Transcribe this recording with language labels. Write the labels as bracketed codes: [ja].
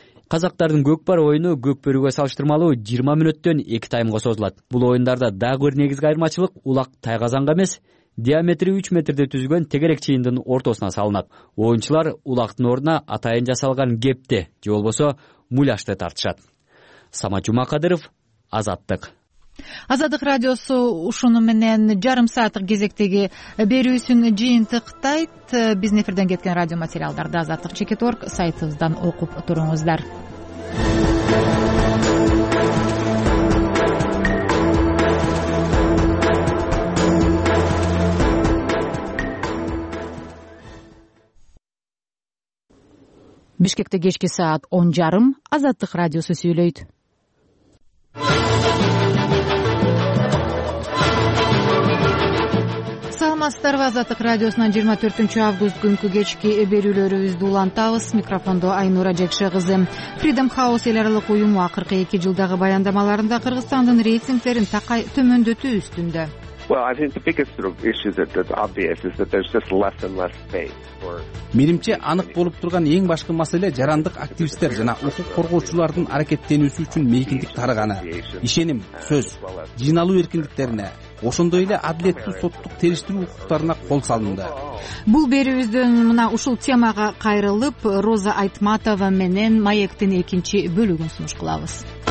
[ky] Казактардын көкпөрү оюну көкпөрүгө салыштырмалуу 20 мүнөттөн 2 таймга созулат. Бул оюндарда дагы бир негизги айырмачылык улак тайгазанга эмес, диаметри 3 метрде түзгөн тегерек чийиндин ортосуна салынат. Оюнчулар улактын ордуна атайын жасалган кепти же болбосо муляшты тартышат. Самат Жумакадыров, Азаттык. Азаттык радиосу ушуну менен жарым сааттык кезектеги берүүсүн жыйынтыктайт. Биздин эфирден кеткен радио материалдарды azattik.org сайтыбыздан окуп туруңуздар. Бишкекте кечки саат 10:30 Азаттык радиосу сүйлөйт. Саламатсыздарбы, Азаттык радиосунан 24 август күнкү кечки берүүлөрүбүздү улантабыз. Микрофондо Айнура Жекше кызы. Freedom House эл аралык уюму акыркы 2 жылдагы баяндамаларында Кыргызстандын рейтингдерин такай төмөндөтүү үстүндө. [en] Well, I think the biggest sort of issue that's obvious is that there's just less and less space for. [ky] Менимче анык болуп турган эң башкы маселе жарандык активисттер жана укук коргоочулардын аракеттенүүсү үчүн мейкиндик тарыганы. Ишеним, сөз, жыйналуу эркиндиктерине, ошондой эле адилеттүү соттук териштирүү укуктарына кол салынды. Бул берүүбүздөн мына ушул темага кайрылып, Роза Айтматова менен маектин экинчи бөлүгүн сунуш кылабыз.